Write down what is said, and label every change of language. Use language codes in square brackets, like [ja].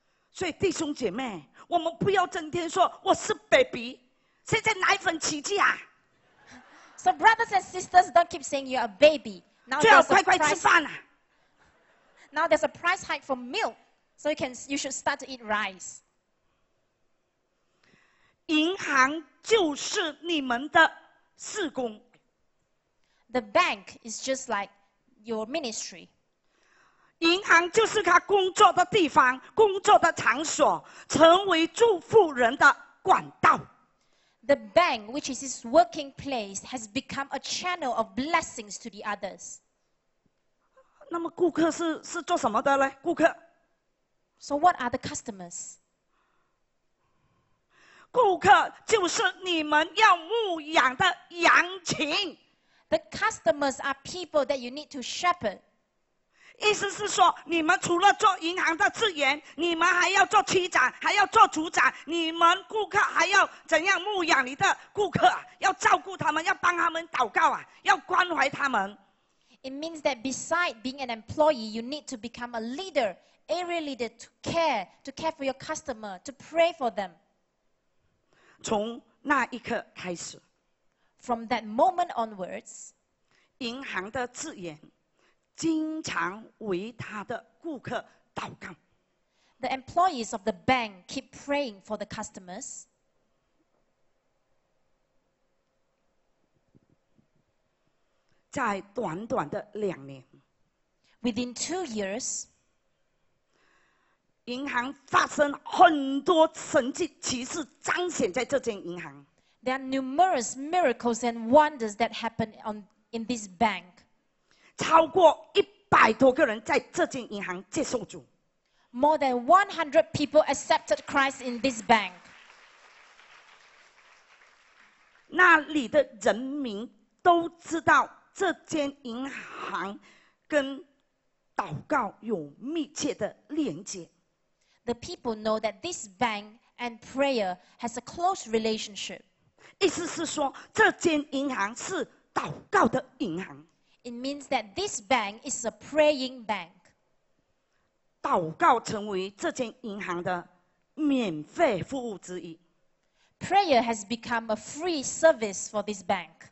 [zh] 所以弟兄姐妹，我们不要整天说我是 [en] baby， [zh] 谁在奶粉奇迹啊 [en] ？So brothers and sisters, don't keep saying you're a baby. Now [zh] 最好快快吃饭啊。 [en] Now there's a price hike for milk, so you should start to eat rice. [zh] 银行就是你们的事工。 [en] The bank is just like your ministry. [zh] 银行就是他工作的地方，工作的场所，成为祝福人的管道。 [en] The bank, which is his working place, has become a channel of blessings to the others. [zh] 那么顾客是做什么的呢？顾客。 [en] So what are the customers? [zh] 顾客就是你们要牧养的羊群。 [en] The customers are people that you need to shepherd. [zh] 意思是说，你们除了做银行的职员，你们还要做区长，还要做组长，你们顾客还要怎样牧养你的顾客，要照顾他们，要帮他们祷告啊，要关怀他们。 [en] It means that besides being an employee, you need to become a leader, area leader to care for your customer, to pray for them. [zh] 从那一刻开始。 [en] From that moment onwards, [zh] 银行的职员。经常为他的顾客祷告。 [en] The employees of the bank keep praying for the customers. [zh] 在短短的两年。 [en] Within 2 years. [zh] 银行发生很多神迹奇事彰显在这间银行。 [en] There are numerous miracles and wonders that happen in this bank. [zh] 超过100多个人在这间银行接受主。 [en] More than 100 people accepted Christ in this bank. [zh] 那里的人民都知道这间银行跟祷告有密切的连接。 [en] The people know that this bank and prayer has a close relationship. [zh] 意思是说，这间银行是祷告的银行。 [en] It means that this bank is a praying bank. [zh] 祷告成为这间银行的免费服务之一。 [en] Prayer has become a free service for this bank.